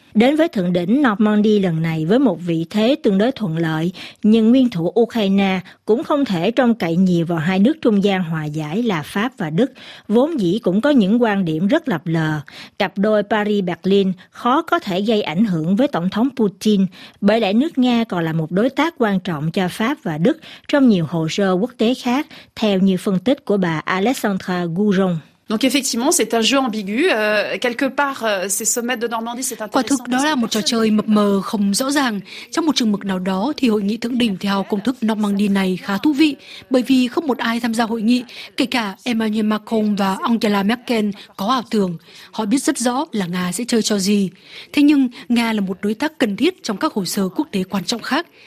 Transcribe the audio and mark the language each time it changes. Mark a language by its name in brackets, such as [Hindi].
[Vietnamese] Đến với thượng đỉnh Normandy lần này với một vị thế tương đối thuận lợi, nhưng nguyên thủ Ukraine cũng không thể trông cậy nhiều vào hai nước trung gian hòa giải là Pháp và Đức, vốn dĩ cũng có những quan điểm rất lập lờ. Cặp đôi Paris-Berlin khó có thể gây ảnh hưởng với Tổng thống Putin, bởi lẽ nước Nga còn là một đối tác quan trọng cho Pháp và Đức trong nhiều hồ sơ quốc tế khác, theo như phân tích của bà Alexandra Gouron. [French] Donc effectivement, c'est un jeu ambigu. Quelque part, ces sommets de Normandie, c'est intéressant. [Vietnamese] Quả thực đó là một trò chơi mập mờ không rõ ràng. Trong một chừng mực nào đó thì hội nghị thượng đỉnh theo công thức Normandy này khá thú vị, bởi vì không một ai tham gia hội nghị, kể cả Emmanuel Macron và Angela Merkel có ảo tưởng. Họ biết rất rõ là Nga sẽ chơi trò gì. Thế nhưng Nga là một đối tác cần thiết trong các hồ sơ quốc tế quan trọng khác.